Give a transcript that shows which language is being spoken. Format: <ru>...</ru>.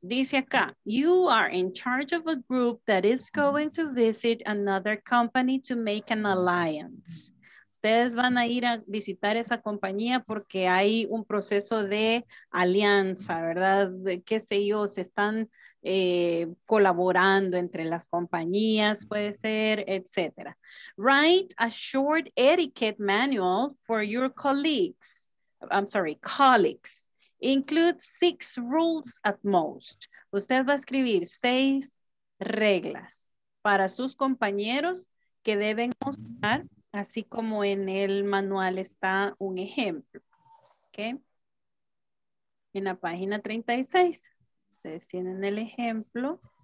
<es>Dice acá,</es> <en>you are in charge of a group that is going to visit another company to make an alliance.</en> <es>Ustedes van a ir a visitar esa compañía porque hay un proceso de alianza, ¿verdad? De, qué sé yo, se están colaborando entre las compañías, puede ser, etc.</es> <en>Write a short etiquette manual for your colleagues. I'm sorry, colleagues, include 6 rules at most.</en> <es>Usted va a escribir 6 reglas para sus compañeros que deben mostrar, así como en el manual está un ejemplo. Okay. En la página 36, ustedes tienen el ejemplo.</es>